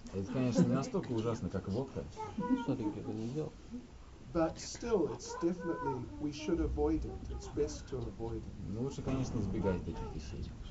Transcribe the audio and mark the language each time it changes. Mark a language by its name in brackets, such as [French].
[Russian] Это, конечно, не настолько ужасно, как водка. Что-то это не делал. [English] But still, it's definitely we should avoid it. It's best to avoid it. [Russian] Ну, лучше, конечно, избегать таких вещей.